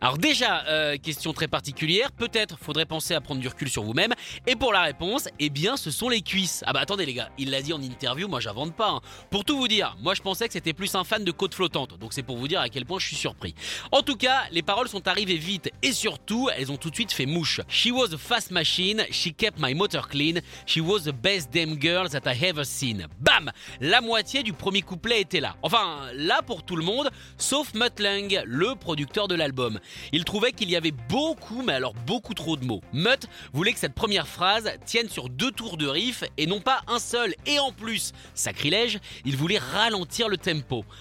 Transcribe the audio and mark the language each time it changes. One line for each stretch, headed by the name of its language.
French: Alors déjà, question très particulière, peut-être faudrait penser à prendre du recul sur vous-même. Et pour la réponse, eh bien ce sont les cuisses. Ah bah attendez les gars, il l'a dit en interview, moi j'invente pas. Pour tout vous dire, moi je pensais que c'était plus un fan de côtes flottantes, donc c'est pour vous dire à quel point je suis surpris. En tout cas, les paroles sont arrivées vite et surtout, elles ont tout de suite fait mouche.
English: She was a fast machine, she kept my motor clean, she was the best damn girl that I have seen. Bam !
French: La moitié du premier couplet était là. Enfin, là pour tout le monde, sauf Mutt Lange, le producteur de l'album. Il trouvait qu'il y avait beaucoup, mais alors beaucoup trop de mots. Mutt voulait que cette première phrase tienne sur deux tours de riff et non pas un seul. Et en plus, sacrilège, il voulait ralentir le tempo.